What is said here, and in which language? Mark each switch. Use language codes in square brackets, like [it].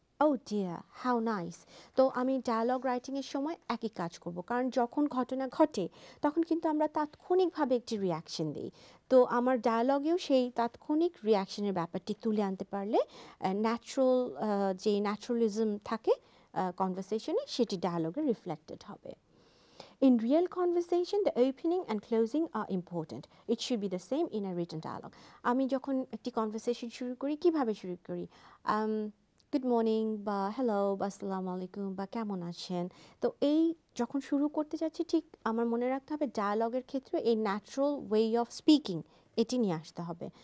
[en] Oh dear, how nice. [bn] তো আমি dialogue writing এর সময় একই কাজ করব কারণ যখন ঘটনা ঘটে তখন কিন্তু আমরা তাৎক্ষণিকভাবে একটি রিঅ্যাকশন দেই। তো আমার ডায়ালগেও সেই তাৎক্ষণিক রিঅ্যাকশনের ব্যাপারটি তুলে আনতে পারলে ন্যাচারাল যে ন্যাচারালিজম থাকে কনভারসেশনে সেটি ডায়ালগে রিফ্লেক্টেড হবে। [en] In real conversation, the opening and closing are important. It should be the same in a written dialogue. [bn] আমি যখন একটি কনভারসেশন শুরু করি কিভাবে শুরু করি? গুড মর্নিং বা হ্যালো বা আসসালামু আলাইকুম বা কেমন আছেন, তো এই যখন শুরু করতে যাচ্ছি ঠিক আমার মনে রাখতে হবে ডায়ালগের ক্ষেত্রে এই ন্যাচারাল ওয়ে অফ স্পিকিং এটি নিয়ে আসতে হবে।